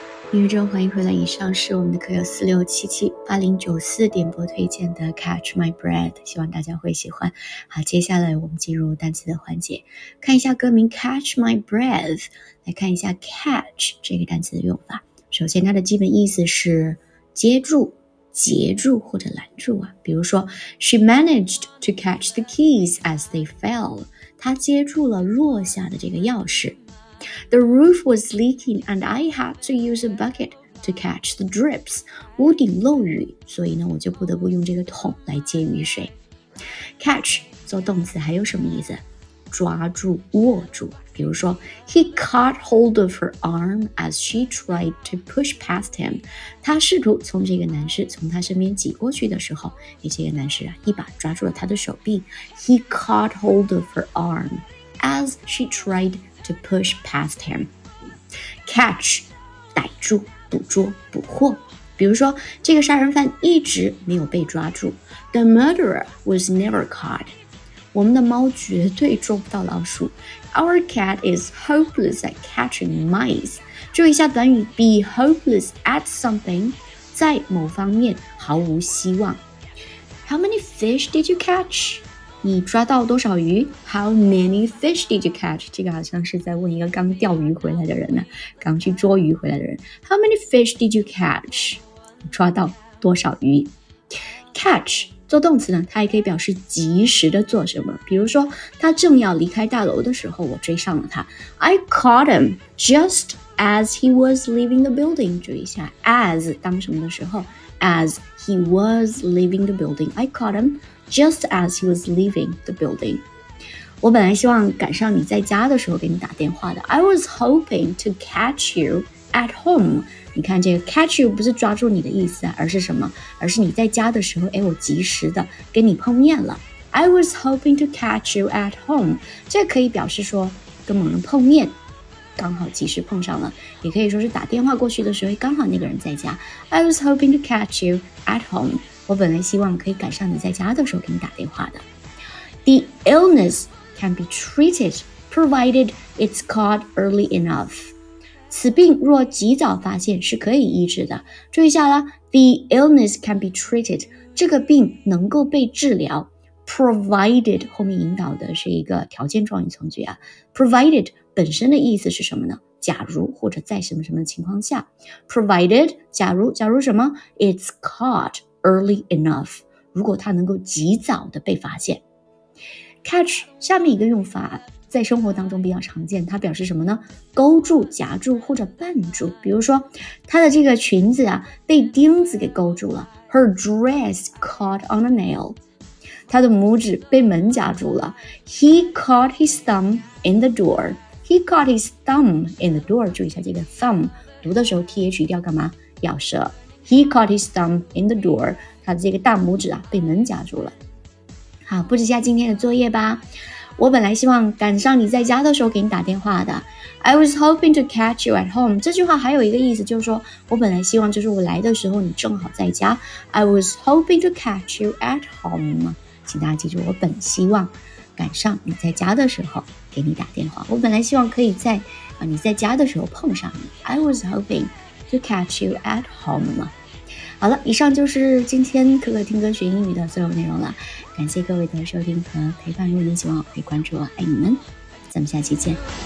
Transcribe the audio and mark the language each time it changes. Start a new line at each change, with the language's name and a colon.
Chinese: 音乐中欢迎回来，以上是我们的客友4677-8094点播推荐的 Catch My Breath， 希望大家会喜欢。好，接下来我们进入单词的环节，看一下歌名 Catch My Breath， 来看一下 Catch 这个单词的用法。首先它的基本意思是接住、截住或者拦住啊，比如说
English: She managed to catch the keys as they fell，
Chinese: 她接住了落下的这个钥匙。
English: The roof was leaking and I had to use a bucket to catch the drips,
Chinese: 屋顶漏雨，所以呢，我就不得不用这个桶来接雨水。 Catch 做动词还有什么意思？抓住、握住。比如说
English: ，He caught hold of her arm as she tried to push past him.
Chinese: 他试图从这个男士从他身边挤过去的时候，这个男士啊，一把抓住了他的手臂。
English: He caught hold of her arm as she tried to push past him.
Chinese: Catch, 逮住、捕捉、捕获。比如说，这个杀人犯一直没有被抓住。
English: The murderer was never caught.
Chinese: 我们的猫绝对捉不到老鼠。
English: Our cat is hopeless at catching mice.
Chinese: 注意一下短语
English: be hopeless at something,
Chinese: 在某方面毫无希望。
English: How many fish did you catch?
Chinese: 你抓到多少鱼？
English: How many fish did you catch?
Chinese: 这个好像是在问一个刚钓鱼回来的人呢，刚去捉鱼回来的人。
English: How many fish did you catch?
Chinese: 抓到多少鱼？Catch. 做动词呢，它也可以表示及时的做什么。比如说，他正要离开大楼的时候，我追上了他。
English: I caught him just as he was leaving the building.
Chinese: 注意一下 ，as 当什么的时候 ，
English: as he was leaving the building. I caught him just as he was leaving the building.
Chinese: 我本来希望赶上你在家的时候给你打电话的。
English: I was hoping to catch you at home.
Chinese: 你看这个 catch you 不是抓住你的意思啊，而是什么？而是你在家的时候，哎，我及时的跟你碰面了。
English: I was hoping to catch you at home.
Chinese: 这可以表示说跟某人碰面，刚好及时碰上了，也可以说是打电话过去的时候，刚好那个人在家。
English: I was hoping to catch you at home.
Chinese: 我本来希望可以赶上你在家的时候给你打电话的。
English: The illness can be treated provided it's caught early enough.
Chinese: 此病若及早发现是可以医治的。注意一下啦 ,
English: the illness can be treated,
Chinese: 这个病能够被治疗 ,provided, 后面引导的是一个条件状语从句啊 ,provided 本身的意思是什么呢？假如或者在什么什么情况下 ,provided, 假如什么 ,
English: it's caught early enough,
Chinese: 如果它能够及早的被发现。 Catch, 下面一个用法在生活当中比较常见，它表示什么呢？勾住、夹住或者绊住。比如说，她的这个裙子啊，被钉子给勾住了。
English: Her dress caught on a nail.
Chinese: 她的拇指被门夹住了。
English: He caught his thumb in the door. He caught his thumb in the door.
Chinese: 注意一下这个 thumb， 读的时候 th 要干嘛？咬舌。
English: He caught his thumb in the door.
Chinese: 她的这个大拇指啊，被门夹住了。好，布置一下今天的作业吧。我本来希望赶上你在家的时候给你打电话的。
English: I was hoping to catch you at home.
Chinese: 这句话还有一个意思，就是说我本来希望就是我来的时候你正好在家。
English: I was hoping to catch you at home.
Chinese: 请大家记住，我本希望赶上你在家的时候给你打电话。我本来希望可以在你在家的时候碰上你。
English: I was hoping to catch you at home.
Chinese: 好了，以上就是今天可可听歌学英语的所有内容了。感谢各位的收听和陪伴，如果你喜欢我可以关注我，爱你们，咱们下期见。